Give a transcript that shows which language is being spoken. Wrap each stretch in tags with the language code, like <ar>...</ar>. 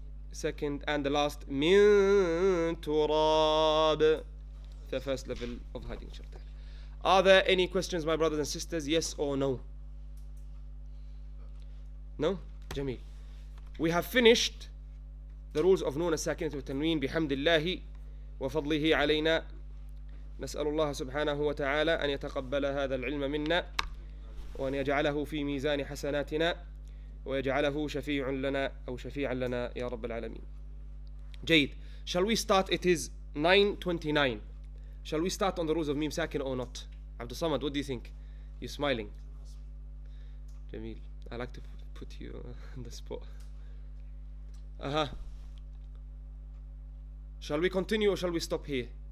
<en>Second and the last,</en> <ar>من تراب.</ar> <en>The first level of hiding. Are there any questions, my brothers and sisters? Yes or no? No?</en> <ar>جميل.</ar> <en>We have finished the rules of</en> <ar>نون الساكنة والتنوين بحمد الله وفضله علينا. نسأل الله سبحانه وتعالى أن يتقبل هذا العلم منا وأن يجعله في ميزان حسناتنا ويجعله شفيع لنا أو شفيعا لنا يا رب العالمين. جيد.</ar> <en>Shall we start? It is 9:29. Shall we start on the rules of ميم ساكن or not? Abdul Samad, what do you think? You're smiling.</en> <ar>جميل.</ar> <en>I like to put you on the spot. Shall we continue or shall we stop here?</en>